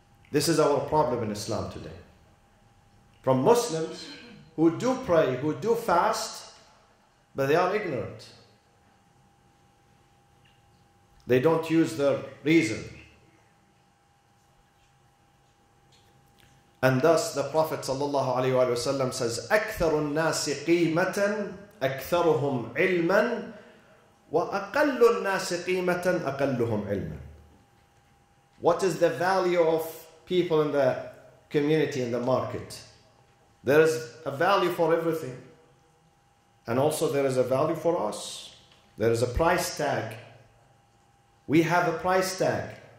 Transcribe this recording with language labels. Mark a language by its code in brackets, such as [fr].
[en] This is our problem in Islam today. From Muslims who do pray, who do fast, but they are ignorant. They don't use their reason. And thus the Prophet ﷺ says, [ar] أكثر الناس قيمة أكثرهم علما وأقل الناس قيمة أقلهم علما. [en] What is the value of people in the community, in the market? There is a value for everything. And also there is a value for us. There is a price tag. We have a price tag.